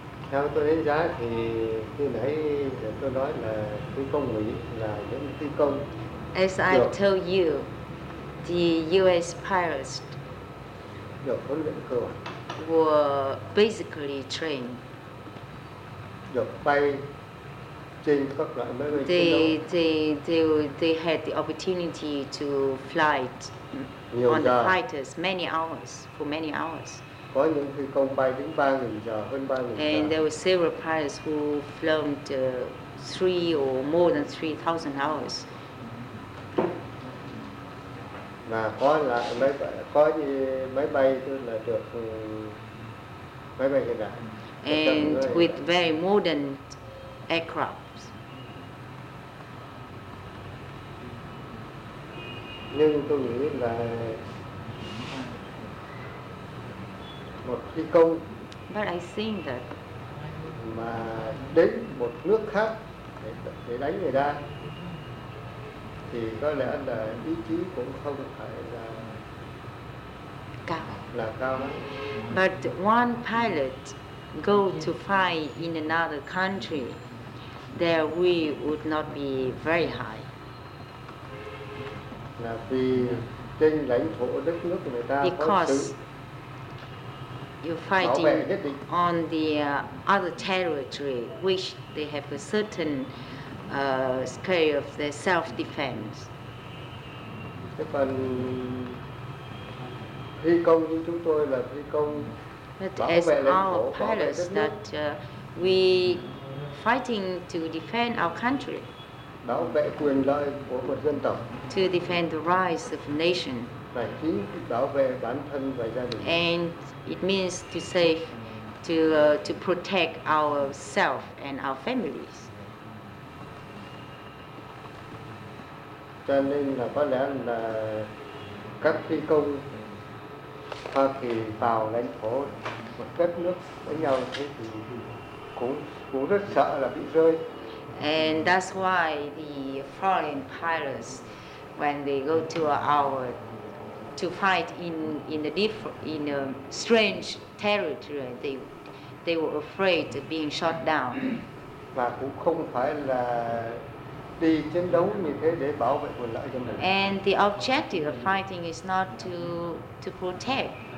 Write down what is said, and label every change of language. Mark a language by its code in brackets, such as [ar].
[vi] Theo tôi đánh giá thì như nãy tôi nói là phi công Mỹ là những phi công. [en] As I told you, the U.S. pilots. [vi] Được huấn luyện cơ bản. [en] Were basically trained. [vi] Được bay trên các loại máy bay chiến đấu. [en] They had the opportunity to fly on the fighters for many hours. [vi] Có những phi công bay đến 3.000 giờ, hơn 3.000 giờ. [en] And there were several pilots who flown three or more than 3,000 hours. [vi] Mà có là máy bay, có như máy bay là được máy bay hiện đại. [en] And with very modern aircrafts. [vi] Nhưng tôi nghĩ là một phi công. [en] But I think that. [vi] Mà đến một nước khác để đánh người ta. Thì có lẽ là ý chí cũng không phải là cao. Là cao lắm. [en] But one pilot go to fight in another country, their will would not be very high. [vi] Là vì trên lãnh thổ đất nước người ta [en] because [vi] có sự [en] you're fighting on the other territory, which they have a certain scale of their self-defense. But as our pilots, that we fighting to defend our country, to defend the rights of the nation. And it means to save, to protect ourselves and our families. [vi] Cho nên là có lẽ là các phi công Hoa Kỳ vào lãnh thổ một đất nước với nhau thế thì cũng rất sợ là bị rơi. [en] And that's why the foreign pilots, when they go to our to fight in a strange territory, they were afraid of being shot down. [vi] Và cũng không phải là đi chiến đấu như thế để bảo vệ quyền lợi cho mình. [en] And the objective of fighting is not to protect.